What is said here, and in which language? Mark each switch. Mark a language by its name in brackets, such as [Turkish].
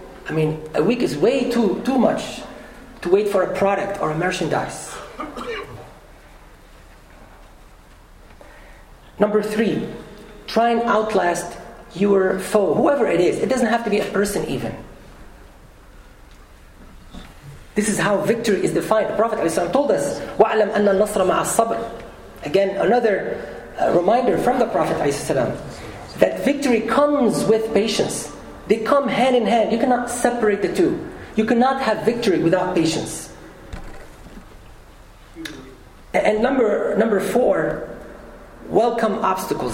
[English] I mean, a week is way too much to wait for a product or a merchandise. Number three, try and outlast your foe, whoever it is. It doesn't have to be a person even. This is how victory is defined. The Prophet ﷺ told us, [Arabic] وَعْلَمْ أَنَّ النَّصْرَ مَعَ الصَّبْرِ. [English] Again, another reminder from the Prophet ﷺ that victory comes with patience. They come hand in hand. You cannot separate the two. You cannot have victory without patience. And number four, welcome obstacles.